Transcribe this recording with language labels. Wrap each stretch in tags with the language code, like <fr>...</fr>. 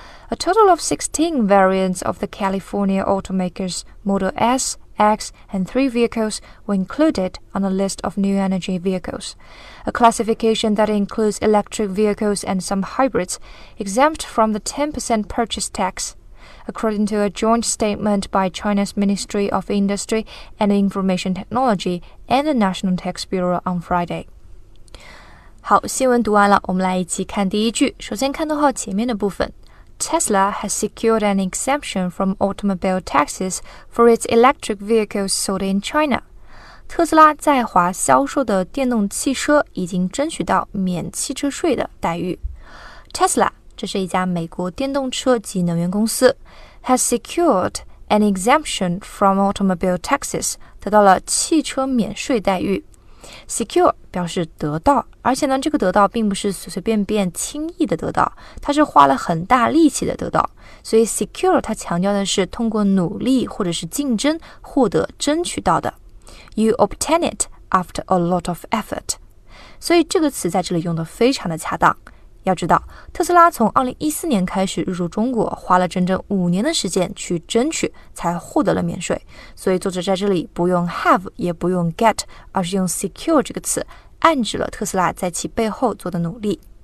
<en>A total of 16 variants of the California automaker's Model S, X, and 3 vehicles were included on a list of new energy vehicles, a classification that includes electric vehicles and some hybrids, exempt from the 10% purchase tax. According to a joint statement by China's Ministry of Industry and Information Technology and the National Tax Bureau on Friday.</en> <zh>好，新闻读完了，我们来一起看第一句。首先看逗号前面的部分。</zh> <en>Tesla has secured an exemption from automobile taxes for its electric vehicles sold in China.</en> <zh>特斯拉在华销售的电动汽车已经争取到免汽车税的待遇。</zh> <en>Tesla.</en> <zh>这是一家美国电动车及能源公司</zh> <en>has secured an exemption from automobile taxes,</en> <zh>得到了汽车免税待遇。 secure 表示得到，而且呢，这个得到并不是随随便便轻易的得到，它是花了很大力气的得到。所以 secure 它强调的是通过努力或者是竞争获得争取到的。</zh> <en>You obtain it after a lot of effort.</en> <zh>所以这个词在这里用得非常的恰当。要知道，特斯拉从2014年开始入驻中国，花了整整五年的时间去争取，才获得了免税。所以作者在这里不用 have 也不用 get， 而是用 secure 这个词，暗指了特斯拉在其背后做的努力。</zh>